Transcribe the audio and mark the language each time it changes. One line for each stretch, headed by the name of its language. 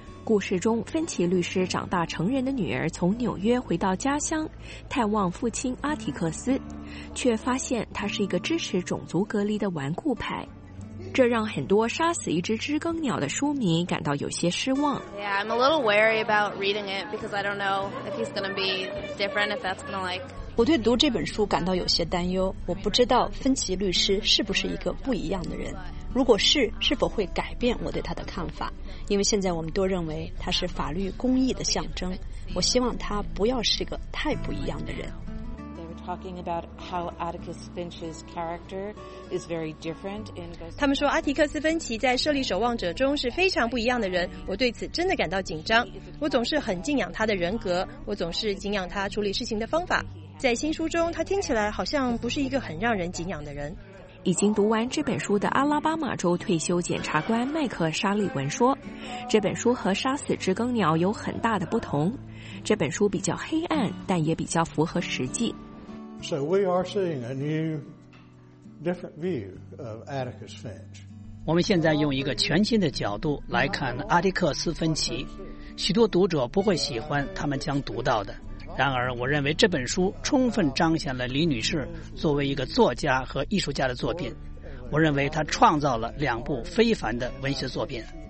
Chinese: 故事中，芬奇律师长大成人的女儿从纽约回到家乡探望父亲阿提克斯，却发现他是一个支持种族隔离的顽固派，这让很多《杀死一只知更鸟》的书迷感到有些失望。
English: Yeah, I'm a little wary about reading it because I don't know if he's going to be different, if that's going to like...
Chinese: 我对读这本书感到有些担忧，我不知道芬奇律师是不是一个不一样的人，如果是，是否会改变我对他的看法，因为现在我们都认为他是法律公义的象征，我希望他不要是个太不一样的人。他们说阿提克斯·芬奇在《设立守望者》中是非常不一样的人，我对此真的感到紧张，我总是很敬仰他的人格，我总是敬仰他处理事情的方法，在新书中他听起来好像不是一个很让人敬仰的人。已经读完这本书的阿拉巴马州退休检察官麦克·沙利文说，这本书和《杀死知更鸟》有很大的不同，这本书比较黑暗，但也比较符合实际。
English: So we are seeing a new different view of Atticus Finch.
Chinese: 我们现在用一个全新的角度来看阿迪克斯·芬奇，许多读者不会喜欢他们将读到的，然而我认为这本书充分彰显了李女士作为一个作家和艺术家的作品，我认为她创造了两部非凡的文学作品。